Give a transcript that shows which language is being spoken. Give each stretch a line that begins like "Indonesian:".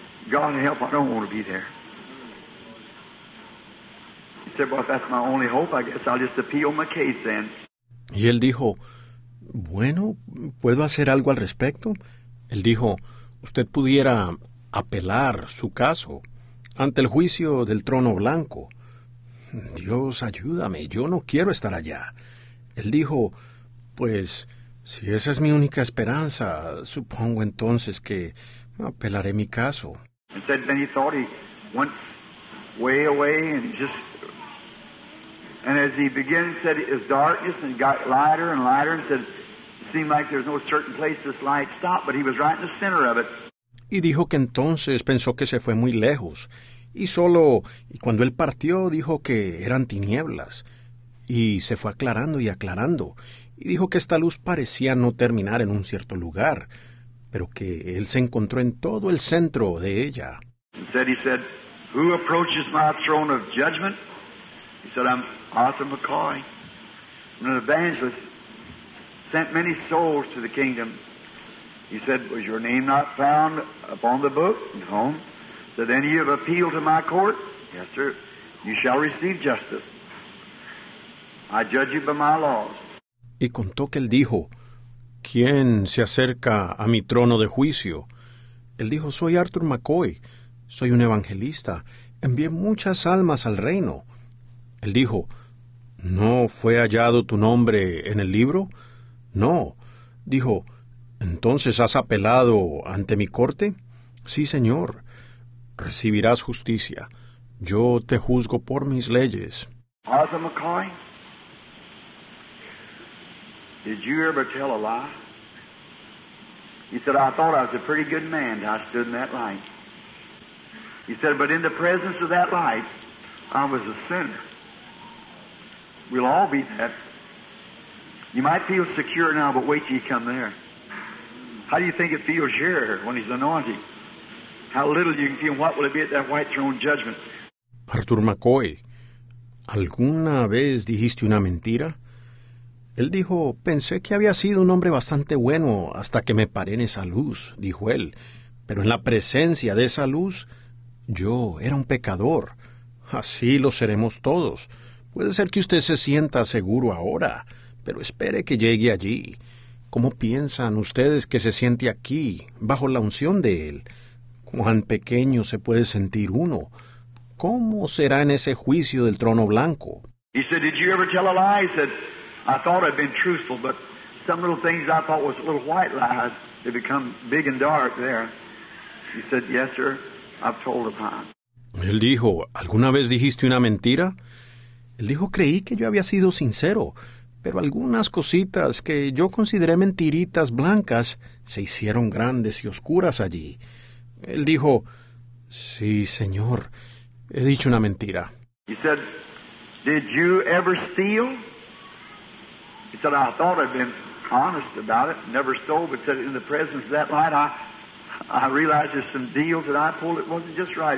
English: God help, I don't want to be there. He said, well, if that's my only hope, I guess I'll just appeal my case then.
Spanish: Y él dijo, bueno, ¿puedo hacer algo al respecto? Él dijo, usted pudiera apelar su caso ante el juicio del trono blanco. Dios, ayúdame, yo no quiero estar allá. Él dijo, pues, si esa es mi única esperanza, supongo entonces que apelaré mi caso.
English: And said, then he thought he went way away and just, and as he began, said it was darkness and got lighter and lighter and said, it seemed like there's no certain place this light stopped, but he was right in the center of it.
Spanish: Y dijo que entonces pensó que se fue muy lejos. Y solo, y cuando él partió, dijo que eran tinieblas. Y se fue aclarando y aclarando. Y dijo que esta luz parecía no terminar en un cierto lugar, pero que él se encontró en todo el centro de ella.
English: Instead he said, who approaches my throne of judgment? He said, I'm Arthur McCoy. I'm an evangelist. Sent many souls to the kingdom. He said, was your name not found upon the book at home? So then you have appealed to my court? Yes, sir. You shall receive justice. I judge you by my laws.
Spanish: Y contó que él dijo, ¿quién se acerca a mi trono de juicio? Él dijo, soy Arthur McCoy. Soy un evangelista. Envié muchas almas al reino. Él dijo, ¿No fue hallado tu nombre en el libro? No, dijo. ¿Entonces has apelado ante mi corte? Sí, señor. Recibirás justicia. Yo te juzgo por mis leyes.
English: Arthur McCoy, did you ever tell a lie? He said, I thought I was a pretty good man till I stood in that light. He said, but in the presence of that light, I was a sinner. We'll all be that. You might feel secure now, but wait till you come there. How do you think it feels here when he's anointed? How little you can feel, what will it be at that white throne judgment?
Spanish: Arthur McCoy, ¿alguna vez dijiste una mentira? Él dijo, pensé que había sido un hombre bastante bueno hasta que me paré en esa luz, dijo él. Pero en la presencia de esa luz, yo era un pecador. Así lo seremos todos. Puede ser que usted se sienta seguro ahora, pero espere que llegue allí. ¿Cómo piensan ustedes que se siente aquí, bajo la unción de él? ¿Cuán pequeño se puede sentir uno? ¿Cómo será en ese juicio del trono blanco?
English: He said, did you ever tell a lie? He said, I thought I'd been truthful, but some little things I thought was little white lies, they become big and dark there. He said, yes, sir, I've told a lie.
Spanish: Él dijo, ¿alguna vez dijiste una mentira? Él dijo, creí que yo había sido sincero, pero algunas cositas que yo consideré mentiritas blancas se hicieron grandes y oscuras allí. Él dijo, sí, señor, he dicho una mentira.
English: He said, did you ever steal? He said, I thought I'd been honest about it, never stole, but said, in the presence of that light, I realized there's some deals that I pulled, it wasn't just right.